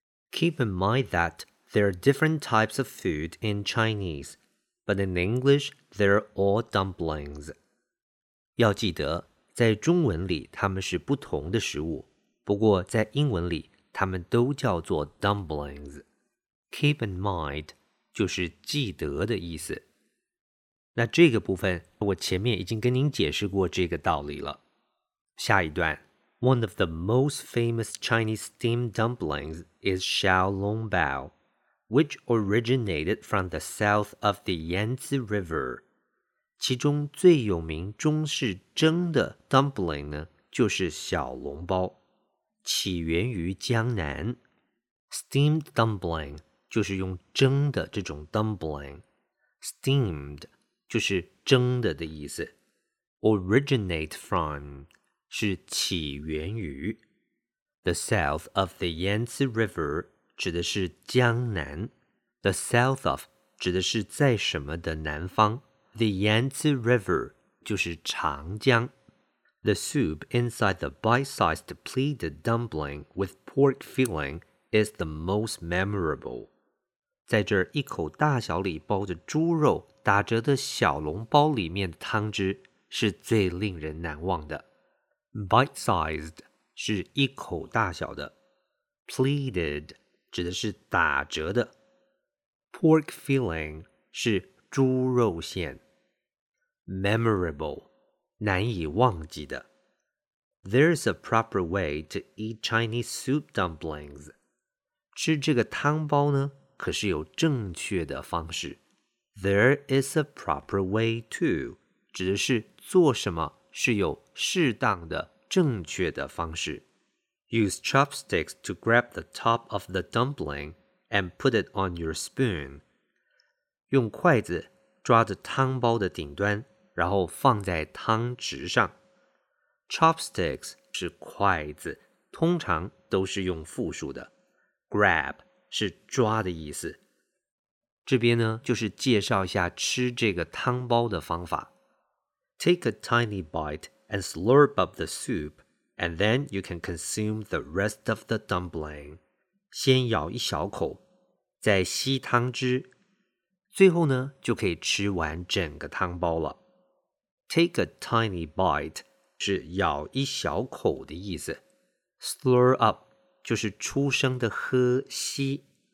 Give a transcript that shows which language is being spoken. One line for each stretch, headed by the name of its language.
English: Keep in mind that there are different types of food in Chinese, but in English, they're all dumplings.
Chinese: 要记得，在中文里它们是不同的食物，不过在英文里。他们都叫做 dumplings.
English: Keep in mind
Chinese: 就是记得的意思。那这个部分我前面已经跟您解释过这个道理了。下一段
English: One of the most famous Chinese steamed dumplings is 小笼包 which originated from the south of the Yangtze River.
Chinese: 其中最有名中式蒸的 dumpling 呢就是小笼包。起源于江南
English: Steamed dumpling
Chinese: 就是用蒸的这种 dumpling Steamed 就是蒸的的意思
English: Originate from
Chinese: 是起源于
English: The south of the Yangtze River
Chinese: 指的是江南 The south of 指的是在什么的南方 The Yangtze River 就是长江
English: The soup inside the bite-sized pleated dumpling with pork filling is the most memorable.
Chinese: 在这一口大小里包着猪肉打折的小笼包里面的汤汁是最令人难忘的。 Bite-sized 是一口大小的。 Pleated 指的是打折的。Pork filling 是猪肉馅。
English: Memorable
Chinese: 难以忘记的。
English: There's a proper way to eat Chinese soup dumplings.
Chinese: 吃这个汤包呢，可是有正确的方式。
English: There is a proper way to
Chinese: 指的是做什么是有适当的正确的方式。
English: Use chopsticks to grab the top of the dumpling and put it on your spoon.
Chinese: 用筷子抓着汤包的顶端，然后放在汤匙上。 Chopsticks 是筷子，通常都是用复数的。 Grab 是抓的意思。这边呢，就是介绍一下吃这个汤包的方法。
English: Take a tiny bite and slurp up the soup, and then you can consume the rest of the dumpling.
Chinese: 先咬一小口，再吸汤汁，最后呢，就可以吃完整个汤包了。
English: Take a tiny bite
Chinese: 是咬一小口的意思。 Slurp up 就是出声的喝吸。